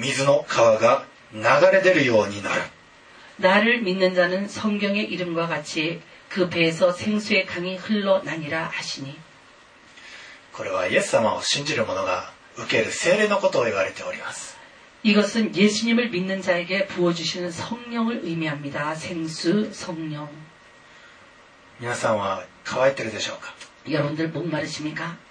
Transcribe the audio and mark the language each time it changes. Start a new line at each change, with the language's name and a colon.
Japanese: 私を信じる者は聖書が言っている通りにその人の心の奥底から生ける水の川が流れ出るようになる
Korean: 나를 믿는 자는 성경에 이름과 같이 그 배에서 생수의 강이 흘러나니라 하시니. 이것은
Japanese: 예수 様을 信じる者が受ける聖霊のことを言われております
Korean: 이것은예수님을믿는자에게부어주시는성령을의미합니다생수성령
Japanese: 皆さんは乾いてるでしょうか
Korean: 여러분들목마르십니까